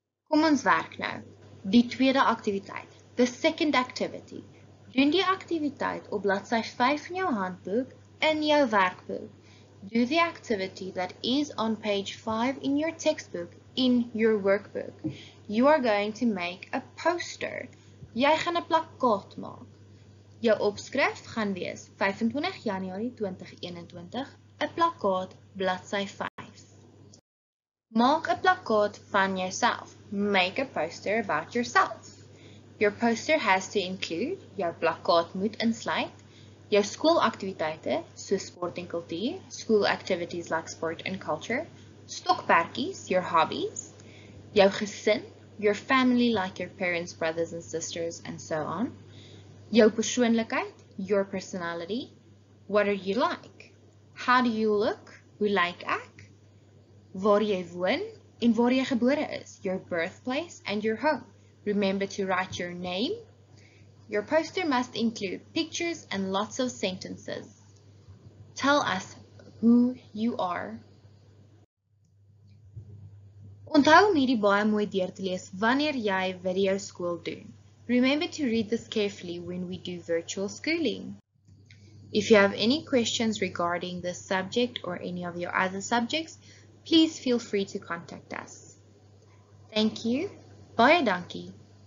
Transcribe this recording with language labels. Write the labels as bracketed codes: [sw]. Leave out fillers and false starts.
[af] Kom ons werk nou. Die tweede aktiwiteit, [en] the second activity. [af] Doen die aktiwiteit op bladsy 5 in jou handboek in jou werkboek. [en] Do the activity that is on page 5 in your textbook in your workbook. You are going to make a poster. [af] Jy gaan 'n plakkaat maak. Jou opskrif gaan wees 25 Januarie 2021, 'n plakkaat bladsy 5. Maak 'n plakkaat van jouself. [en] Make a poster about yourself. Your poster has to include, [af] jou plakkaat moet insluit, jou skoolaktiwiteite, soos sport en kultuur, [en] school activities like sport and culture, Stokperkies, your hobbies. [af] Jou gesin, [en] your family like your parents, brothers and sisters and so on. [af] Jou persoonlikheid, [en] your personality. What are you like? How do you look? [af] Hoe lyk ek? Waar jy woon en waar jy gebore is. [en] Your birthplace and your home. Remember to write your name. Your poster must include pictures and lots of sentences. Tell us who you are. [af] Onthou om hierdie baie mooi deur te lees wanneer jy video skool doen. [en] Remember to read this carefully when we do virtual schooling. If you have any questions regarding this subject or any of your other subjects, please feel free to contact us. Thank you. [af] Baie dankie.